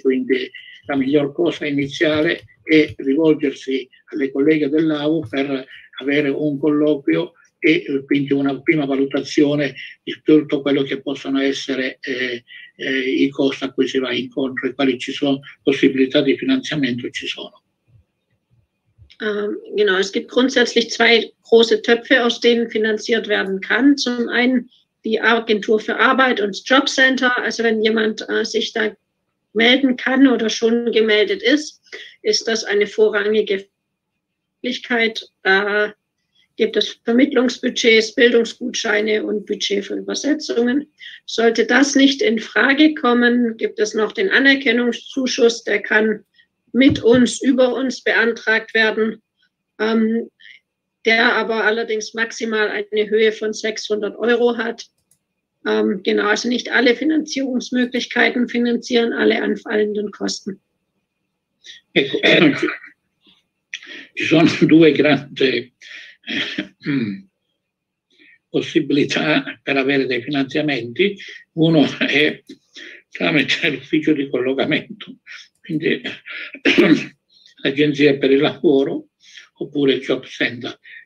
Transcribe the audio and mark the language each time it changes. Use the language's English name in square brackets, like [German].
[Italian] Quindi la miglior cosa iniziale è rivolgersi alle colleghe dell'AU per avere un colloquio e quindi una prima valutazione di tutto quello che possono essere i costi a cui si va incontro e quali ci sono possibilità di finanziamento ci sono. [German] Genau, es gibt grundsätzlich zwei große Töpfe, aus denen finanziert werden kann. Zum einen die Agentur für Arbeit und das Jobcenter. Also wenn jemand sich da melden kann oder schon gemeldet ist, ist das eine vorrangige Möglichkeit. Da gibt es Vermittlungsbudgets, Bildungsgutscheine und Budget für Übersetzungen. Sollte das nicht in Frage kommen, gibt es noch den Anerkennungszuschuss, der kann mit uns, über uns beantragt werden, der aber allerdings maximal eine Höhe von 600 Euro hat. Genau, also nicht alle Finanzierungsmöglichkeiten finanzieren alle anfallenden Kosten. [Italian] Ecco, ci sono due grandi possibilità per avere dei finanziamenti. Uno è tramite l'ufficio di collocamento, quindi l'agenzia per il lavoro oppure il job center.